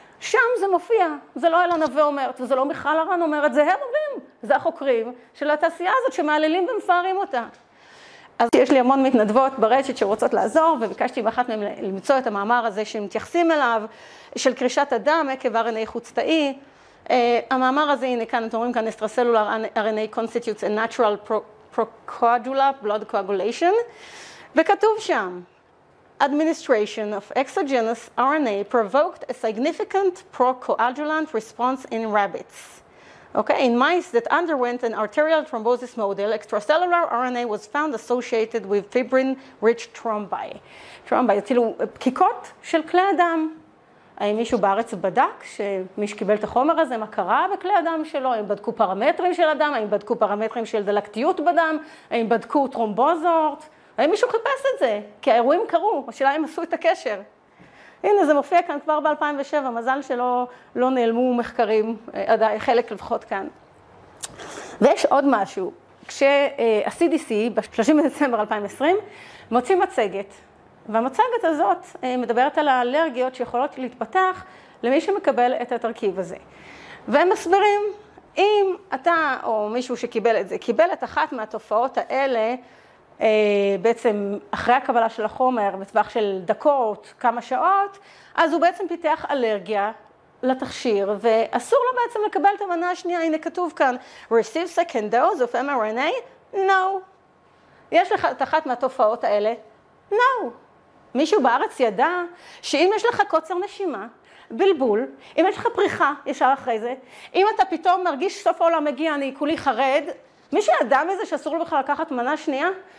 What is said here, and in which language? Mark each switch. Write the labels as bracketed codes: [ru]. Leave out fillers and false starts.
[he] שם זה מופיע, זה לא אלה נווה אומרת, וזה לא מיכל הרן אומרת, זה הם אומרים, זה החוקרים של התעשייה הזאת שמעללים ומפארים אותה. אז יש לי המון מתנדבות ברשת שרוצות לעזור, וביקשתי באחת מהם למצוא את המאמר הזה שמתייחסים אליו, של קרישת הדם עקב RNA חוץ-תאי. המאמר הזה, הנה כאן, אתם רואים כאן, [en] Extracellular RNA constitutes a natural procoagulant blood coagulation, [he] וכתוב שם, [en] administration of exogenous RNA provoked a significant procoagulant response in rabbits. Okay, in mice that underwent an arterial thrombosis model, extracellular RNA was found associated with fibrin-rich thrombi. [he] Thrombi, כאילו פקיקות של כלי הדם. האם מישהו בארץ בדק שמי שקיבל את החומר הזה, מה קרה בכלי הדם שלו? האם בדקו פרמטרים של הדם? האם בדקו פרמטרים של דלקתיות בדם? האם בדקו טרומבוזות? האם מישהו חיפש את זה? כי האירועים קרו, השאלה הם עשו את הקשר. הנה, זה מופיע כאן כבר ב-2007, מזל שלא נעלמו מחקרים, עדיין חלק לפחות כאן. ויש עוד משהו, כשה-CDC ב-30 בדצמבר 2020 מוציא מצגת, והמצגת הזאת מדברת על האלרגיות שיכולות להתפתח למי שמקבל את התרכיב הזה. והם מסבירים, אם אתה או מישהו שקיבל את זה, קיבל את אחת מהתופעות האלה, בעצם אחרי הקבלה של החומר בטווח של דקות, כמה שעות, אז הוא בעצם פיתח אלרגיה לתכשיר, ואסור לו בעצם לקבל את המנה השנייה. הנה כתוב כאן, [en] receive second dose of mRNA, no. [he] יש לך את אחת מהתופעות האלה? No. מישהו בארץ ידע שאם יש לך קוצר נשימה, בלבול, אם יש לך פריחה ישר אחרי זה, אם אתה פתאום מרגיש סוף העולם מגיע, אני כולי חרד, מי שידע מזה שאסור לו בכלל לקחת מנה שנייה?